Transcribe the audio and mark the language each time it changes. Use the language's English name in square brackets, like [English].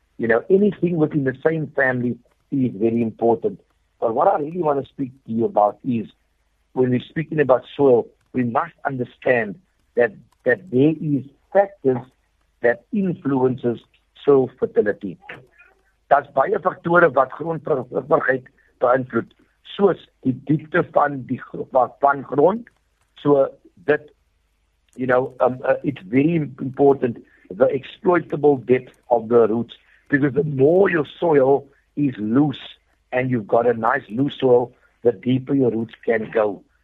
[English] You know, anything within the same family is very important. But what I really want to speak to you about is, when we're speaking about soil, we must understand that there is factors that influences soil fertility. [Afrikaans] Daar's baie faktore wat grondvrugbaarheid beïnvloed, soos die diepte van die van grond. [English] So dit, you know, it's very important, the exploitable depth of the roots, because the more your soil is loose and you've got a nice loose soil, the deeper your roots can go.